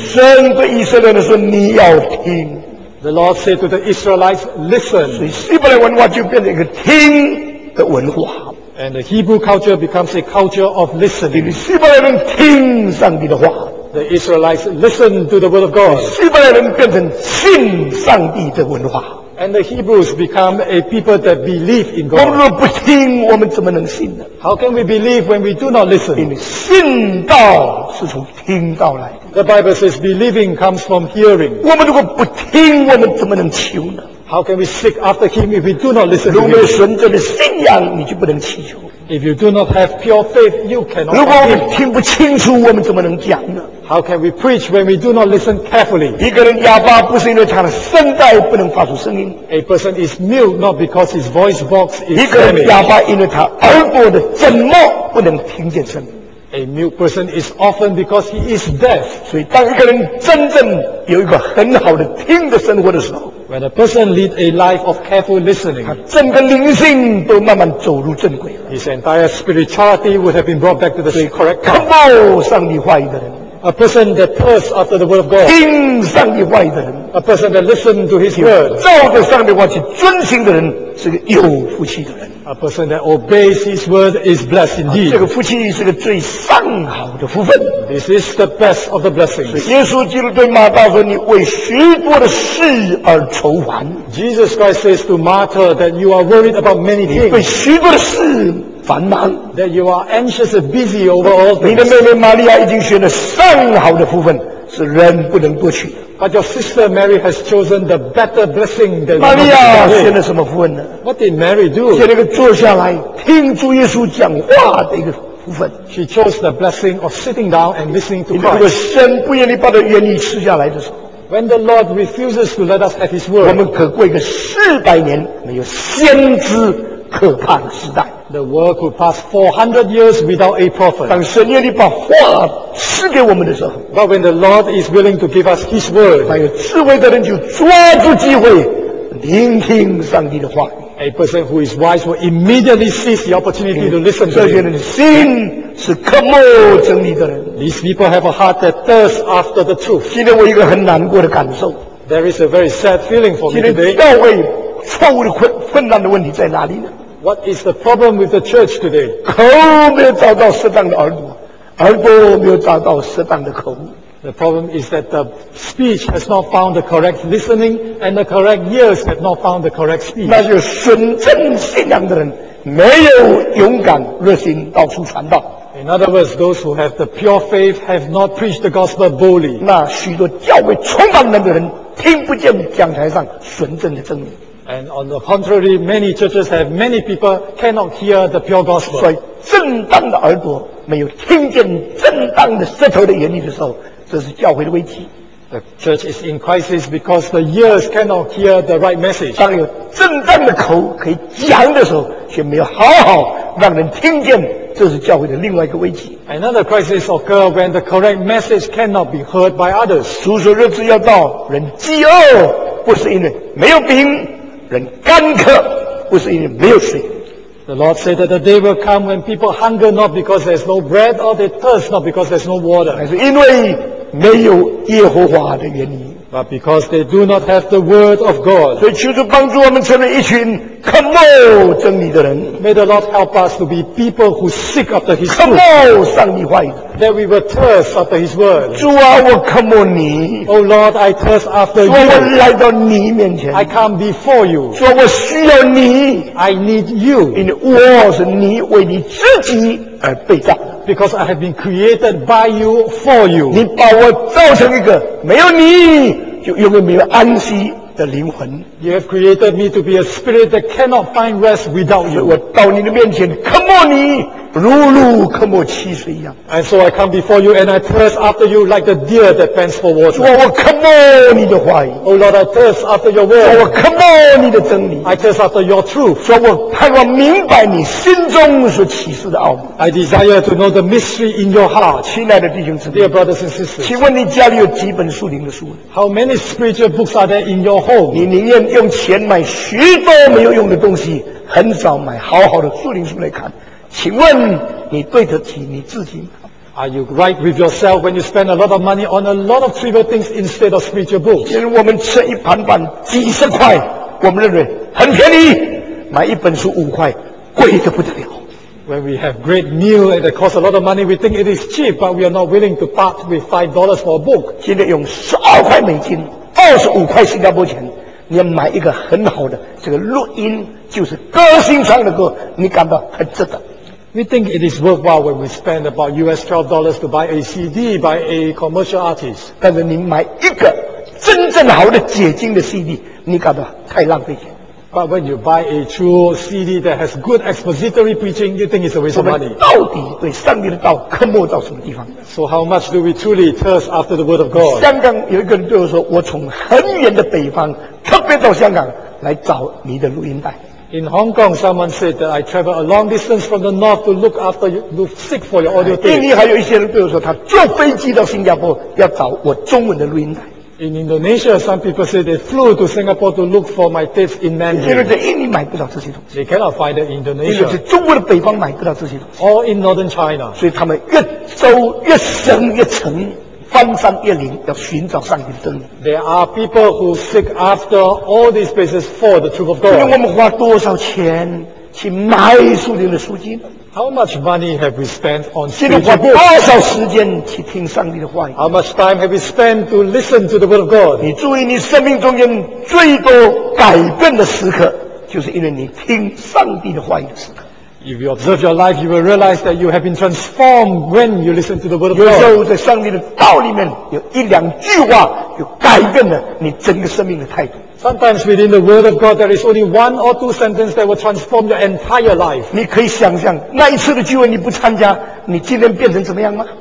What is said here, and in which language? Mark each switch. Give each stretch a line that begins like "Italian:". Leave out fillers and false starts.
Chinese: 神对以色列人说你要听。
English: The Lord said to the Israelites, listen.
Chinese: 所以希伯来文化就变成一个听的文化。
English: And the Hebrew culture becomes a culture of listening.
Chinese: 因为希伯来人听上帝的话。
English: The Israelites listen to the word of God.
Chinese: 希伯来人变成信上帝的文化。
English: And the Hebrews become a people that believe in God.
Chinese: 我们若不听，我们怎么能信呢
English: ？How can we believe when we do not listen?
Chinese: 因为信道是从听到来的。
English: The Bible says believing comes from hearing.
Chinese: 我们如果不听，我们怎么能求呢
English: ？How can we seek after Him if we do not listen?
Chinese: 如果没有纯正的信仰，你就不能祈求。
English: If you do not have pure faith, you cannot.
Chinese: 如果我们听不清楚，我们怎么能讲呢
English: ？How can we preach when we do not listen carefully?
Chinese: 一个人哑巴不是因为他的声带不能发出声音。
English: A person is mute not because his voice box is damaged.
Chinese: 一个人哑巴因为他耳朵的震膜不能听见声音。
English: A mute person is often because he is deaf.
Chinese: 所以当一个人真正有一个很好的听的生活的时候。
English: When a person leads a life of careful listening,
Chinese: 他整个灵性都慢慢走入正轨了。
English: His entire spirituality would have been brought back to the correct path.
Chinese: 渴慕上帝话语的人。
English: A person that thirsts after the word of God.
Chinese: 听上帝话语的人。
English: A person that listens to his word.
Chinese: 照着上帝话去遵行的人是个有福气的人。
English: A person that obeys his word is blessed indeed.
Chinese: 这个福气是个最上好的福分。
English: This is the best of the blessings.
Chinese: 所以耶稣基督对马大说，你为许多的事而愁烦。
English: Jesus Christ says to Martha that you are worried about many things.
Chinese: 为许多的事繁忙。
English: That you are anxious and busy over all things.
Chinese: 你的妹妹玛利亚已经选了上好的福分，是人不能夺取的。
English: But your sister Mary has chosen the better blessing than
Chinese: Mary. 玛利亚选了什么福分呢？
English: What did Mary do?
Chinese: 选了一个坐下来听主耶稣讲话的一个福分。
English: She chose the blessing of sitting down and listening to Christ.
Chinese: 如果神不愿意把这愿意吃下来的时候，
English: When the Lord refuses to let us have His word,
Chinese: 我们可过一个四百年没有先知可怕的时代。
English: The world could pass 400 years without a prophet.
Chinese: 当神愿意把话赐给我们的时候，
English: But when the Lord is willing to give us His word,
Chinese: 还有智慧的人就抓住机会聆听上帝的话。
English: A person who is wise will immediately seize the opportunity to listen to him.
Chinese: 这些人的心是渴慕真理的人。
English: These people have a heart that thirsts after the truth.
Chinese: 今天我一个很难过的感受。
English: There is a very sad feeling for me today.
Chinese: 今天教会错误的困难的问题在哪里呢？
English: What is the problem with the church today?
Chinese: 口没有找到适当的耳朵，耳朵没有找到适当的口。
English: The problem is that the speech has not found the correct listening, and the correct ears have not found the correct speech.
Chinese: 那些纯正信仰的人没有勇敢热心到处传道。
English: In other words, those who have the pure faith have not preached the gospel boldly.
Chinese: 那许多教会充满人的人听不见讲台上纯正的真理。
English: And on the contrary, many churches have many people cannot hear the pure gospel.
Chinese: 所以正当的耳朵没有听见正当的舌头的言语的时候，这是教会的危机。
English: The church is in crisis because the ears cannot hear the right message.
Chinese: 当有正当的口可以讲的时候，却没有好好让人听见，这是教会的另外一个危机。
English: Another crisis occurs when the correct message cannot be heard by others.
Chinese: 主说日子要到，人饥饿，不是因为没有饼。人干渴，不是因为没有水。
English: The Lord said that the day will come when people hunger not because there's no bread, or they thirst not because there's no water.
Chinese: 是因为没有耶和华的原因。
English: But because they do not have the word of God.
Chinese: 所以求主帮助我们成为一群渴慕真理的人。
English: May the Lord help us to be people who seek after His word.
Chinese: 渴慕上帝话语。
English: That we will thirst after His word.
Chinese: 主啊，我渴慕你。
English: Oh Lord, I thirst after you.
Chinese: 主啊，我来到你面前。
English: I come before you.
Chinese: 主啊，我需要你。
English: I need you.
Chinese: 因为我是你为你自己而被造。
English: Because I have been created by you for you.
Chinese: 你把我造成一个没有你就永远没有安息的灵魂。
English: You have created me to be a spirit that cannot find rest without you.
Chinese: 我到你的面前渴慕你，如鹿渴慕溪水一样。
English: And so I come before you and I thirst after you like the deer that pants for water.
Chinese: 主啊，我渴慕你的话语。
English: Oh Lord, I thirst after your word.
Chinese: 主啊，我渴慕你的真理。
English: I thirst after your truth.
Chinese: 主啊，我盼望明白你心中所启示的奥秘。
English: I desire to know the mystery in your heart.
Chinese: 亲爱的弟兄姊妹，
English: Dear brothers and sisters,
Chinese: 请问你家里有几本属灵的书？
English: How many spiritual books are there in your home?
Chinese: 你宁愿用钱买许多没有用的东西，很少买好好的属灵书来看。请问你对得起你自己吗？
English: Are you right with yourself when you spend a lot of money on a lot of trivial things instead of spiritual books?
Chinese: 今天我们吃一盘饭几十块，我们认为很便宜，买一本书五块，贵得不得了。
English: When we have great meal and it costs a lot of money, we think it is cheap, but we are not willing to part with $5 for a book.
Chinese: 今天用12块美金，25块新加坡钱，你要买一个很好的这个录音，就是歌星唱的歌，你感到很值得。
English: We think it is worthwhile when we spend about US$12 to buy a CD by a commercial artist.
Chinese: 但是你买一个真正好的解经的 CD， 你感到太浪费钱。
English: But when you buy a true CD that has good expository preaching, you think it's a waste of money.
Chinese: 到底对上帝的道渴慕到什么地方？
English: So how much do we truly thirst after the word of God?
Chinese: 香港有一个人对我说，我从很远的北方特别到香港来找你的录音带。
English: In Hong Kong, someone said that I travel a long distance from the north to look after you, to seek for your audio tape.
Chinese: 印尼还有一些人对我说，他坐飞机到新加坡要找我中文的录音带。
English: In Indonesia, some people say they flew to Singapore to look for my tapes in Mandarin.
Chinese: 因为在印尼买不到这些东西。
English: They cannot find it in Indonesia.
Chinese: 因为在中国的北方买不到这些东西。
English: Or in northern China.
Chinese: 所以他们越走越深越沉。翻山越岭，要寻找上帝的真理。
English: There are people who seek after all these places for the truth of God.
Chinese: 我们花多少钱去买树林的书籍？
English: How much money have we spent on spiritual books? How much time have we spent to listen to the word of God?
Chinese: 你注意你生命中间最多改变的时刻，就是因为你听上帝的话语的时刻。
English: If you observe your life, you will realize that you have been transformed when you listen to the word of God.
Chinese: 有时候在上帝的道里面有一两句话，就改变了你整个生命的态度。
English: Sometimes within the word of God, there is only one or two sentences that will transform your entire life.
Chinese: 你可以想象那一次的聚会你不参加，你今天变成怎么样吗？